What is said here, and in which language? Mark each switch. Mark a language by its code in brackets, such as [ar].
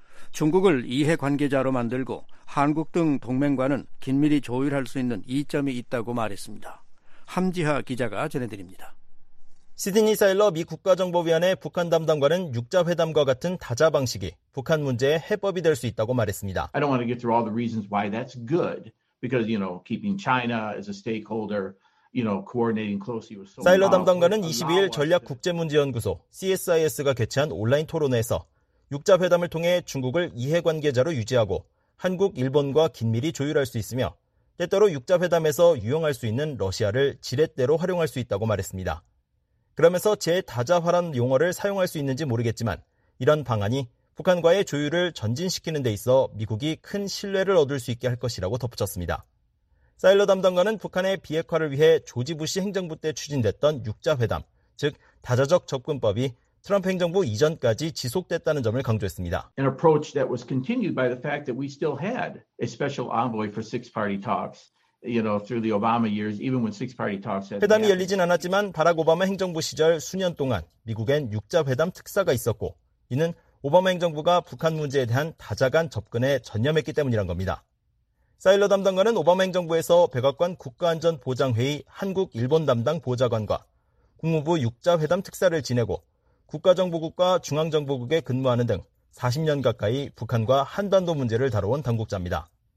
[ko] 중국을 이해 관계자로 만들고 한국 등 동맹과는 긴밀히 조율할 수 있는 이점이 있다고 말했습니다. 함지하 기자가 전해드립니다. 시드니 사일러 미 국가정보위원회 북한 담당관은 6자회담과 같은 다자 방식이 북한 문제의 해법이 될 수 있다고 말했습니다. [en] I don't want to get through all the reasons why that's good. Because, you know, keeping China as a stakeholder, you know, coordinating closely with so [ko] 사일러 담당관은 22일 전략국제문제연구소 CSIS가 개최한 온라인 토론회에서 6자회담을 통해 중국을 이해관계자로 유지하고 한국, 일본과 긴밀히 조율할 수 있으며 때때로 6자회담에서 유용할 수 있는 러시아를 지렛대로 활용할 수 있다고 말했습니다. 그러면서 제다자화란 용어를 사용할 수 있는지 모르겠지만 이런 방안이 북한과의 조율을 전진시키는 데 있어 미국이 큰 신뢰를 얻을 수 있게 할 것이라고 덧붙였습니다. 사일러 담당관은 북한의 비핵화를 위해 조지 부시 행정부 때 추진됐던 6자회담, 즉 다자적 접근법이 트럼프 행정부 이전까지 지속됐다는 점을 강조했습니다. [en] An approach that was continued by the fact that we still had a special envoy for six-party talks. You know, through the Obama years, even when six-party talks had [ko] 회담이 열리진 않았지만 바락 오바마 행정부 시절 수년 동안 미국엔 6자회담 특사가 있었고 이는 오바마 행정부가 북한 문제에 대한 다자간 접근에 전념했기 때문이란 겁니다. 사일러 담당관은 오바마 행정부에서 백악관 국가안전보장회의 한국-일본 담당 보좌관과 국무부 6자회담 특사를 지내고 국가정보국과 중앙정보국에 근무하는 등 40년 가까이 북한과 한반도 문제를 다뤄온 당국자입니다.